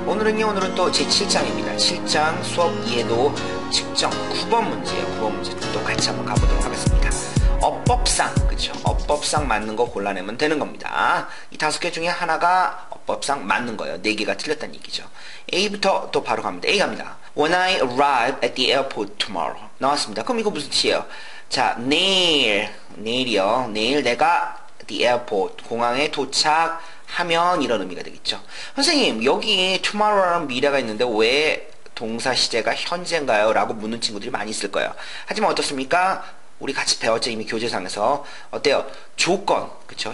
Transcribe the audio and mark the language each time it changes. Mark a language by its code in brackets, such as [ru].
[ko] 오늘은요, 오늘은 또 제 7장입니다. 7장 수업 예도 측정 9번 문제예요. 9번 문제를 또 같이 한번 가보도록 하겠습니다. 어법상, 그쵸? 어법상 맞는 거 골라내면 되는 겁니다. 이 다섯 개 중에 하나가 어법상 맞는 거예요. 네 개가 틀렸다는 얘기죠. A부터 또 바로 갑니다. A 갑니다. [en] When I arrive at the airport tomorrow. [ko] 나왔습니다. 그럼 이거 무슨 뜻이에요? 자, 내일. 내일이요. 내일 내가 the airport, 공항에 도착하면 이런 의미가 되겠죠. 선생님, 여기에 tomorrow라는 미래가 있는데 왜 동사 시제가 현재인가요? 라고 묻는 친구들이 많이 있을 거예요. 하지만 어떻습니까? 우리 같이 배웠죠, 이미 교재상에서. 어때요? 조건, 그쵸?